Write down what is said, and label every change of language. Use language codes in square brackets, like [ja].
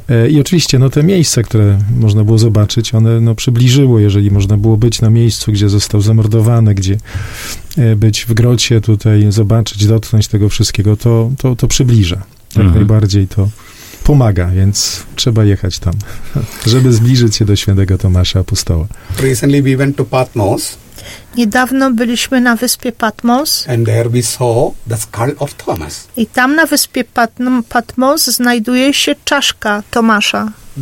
[pl] I oczywiście no, te miejsca, które można było zobaczyć, one no, przybliżyło, jeżeli można było być na miejscu, gdzie został zamordowany, gdzie być w grocie tutaj, zobaczyć, dotknąć tego wszystkiego, to przybliża. Tak najbardziej to pomaga, więc trzeba jechać tam, żeby zbliżyć się do świętego Tomasza Apostoła. [en] Recently we went to Patmos. [pl] Niedawno byliśmy na wyspie Patmos. [en] And there we saw the skull of Thomas. [pl] I tam na wyspie Patmos znajduje się czaszka Tomasza.